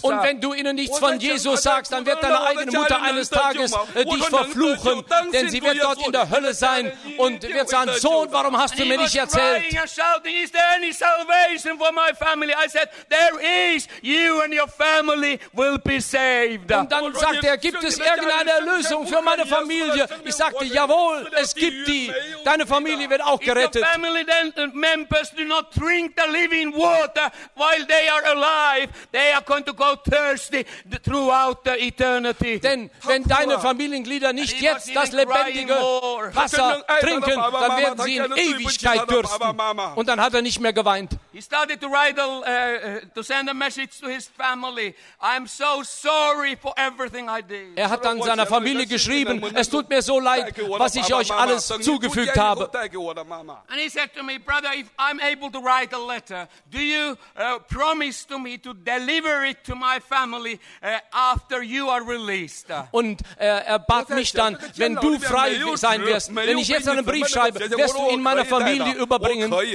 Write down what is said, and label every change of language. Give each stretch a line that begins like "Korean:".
German: Und wenn du ihnen nichts von Jesus sagst, dann wird deine eigene Mutter eines Tages dich verfluchen, denn sie wird dort in der Hölle sein und wird sagen, Sohn, warum hast du mir nicht erzählt?
English: He was shouting, is there any salvation for my family? I said, there is, you and your family will be saved.
German: Und dann sagte er, gibt es irgendeine Erlösung für meine Familie? Ich sagte, jawohl, es gibt die. Deine Familie wird auch gerettet.
English: Members do not drink the living water while they are alive. They are going to go thirsty throughout the eternity.
German: Denn wenn deine Familienglieder nicht jetzt das lebendige Wasser trinken, dann werden sie in Ewigkeit dürsten. Und dann hat er nicht mehr geweint.
English: He started to write to send a message to his family. I'm so sorry for everything I did.
German: Er hat dann seiner Familie geschrieben, es tut mir so leid, was ich euch alles zugefügt habe.
English: And he said to me, brother, if I'm able to write a letter, do you promise to me to deliver it to my family after you are released?
German: Und er bat mich dann, wenn du frei sein wirst, wenn ich jetzt einen Brief schreibe, wirst du ihn meiner Familie überbringen.